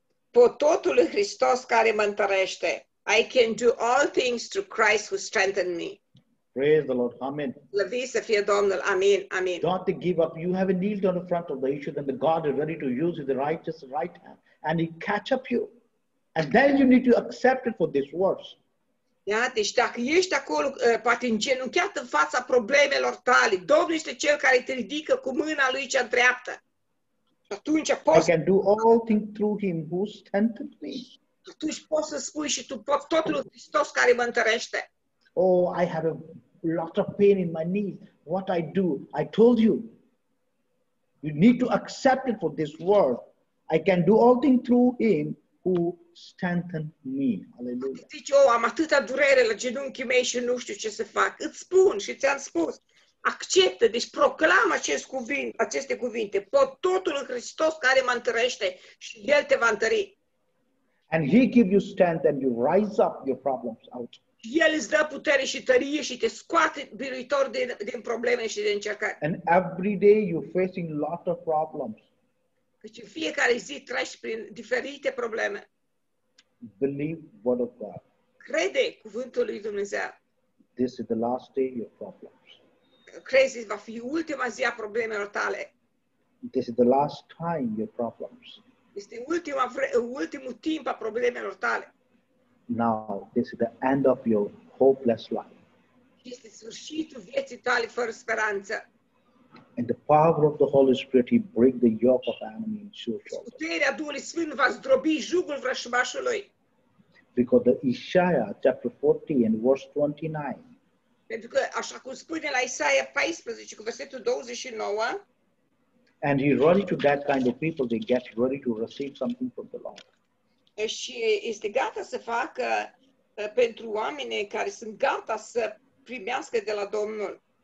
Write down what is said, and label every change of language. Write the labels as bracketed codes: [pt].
[ro] Pototul lui Hristos care mă întărește. [en] I can do all things through Christ who strengthened me. Praise the Lord. Amen. [ro] Slăviți să fie Domnul. Amin. Amin. [en] Don't give up. You have a kneeled on the front of the issue, then the God is ready to use the righteous right hand and he catch up you. And then you need to accept it for this words. [ro] Da, deci dacă ești acolo, poate îngenunchiat în fața problemelor tale, Domnul este cel care te ridică cu mâna lui cea dreaptă. Atunci poți... [en] I can do all things through him who strengthens me. [ro] Atunci poți să spui și tu poți tot lui Hristos care mă întărește. [en] Oh, I have a lot of pain in my knees. What I do? I told you. You need to accept it for this world. I can do all things through him who strengthened me. Hallelujah. [ro] Zici, oh, am atâta durere la genunchii mei și nu știu ce să fac. Îți spun și ți-am spus. Acceptă, deci proclamă acest cuvânt, aceste cuvinte. Pot totul în Hristos care mă întărește și El te va întări. [en] And he give you strength and you rise up your problems out. [ro] El îți dă putere și tărie și te scoate biruitor din probleme și de încercări. [en] And every day you're facing lot of problems. [ro] Deci în fiecare zi treci prin diferite probleme. [en] Believe word of God. [ro] Crede cuvântul lui Dumnezeu. [en] This is the last day of your problems. [ro] Crezi, va fi ultima zi a problemelor tale. [en] This is the last time your problems. [ro] Este ultimul timp a problemelor tale. [en] Now, this is the end of your hopeless life. [ro] Este sfârșitul vieții tale fără speranță. [en] And the power of the Holy Spirit, he break the yoke of enemy in your shoulders. [ro] Puterea Duhului Sfânt va zdrobi jugul vrășmașului. [en] Because the Isaiah chapter 40 and verse 29. [ro] Pentru că așa cum spune la Isaia 14 cu versetul 29. [en] And he ready to that kind of people, they get ready to receive something from the Lord. [ro] Și este gata să facă pentru oameni care sunt gata să primească de la Domnul.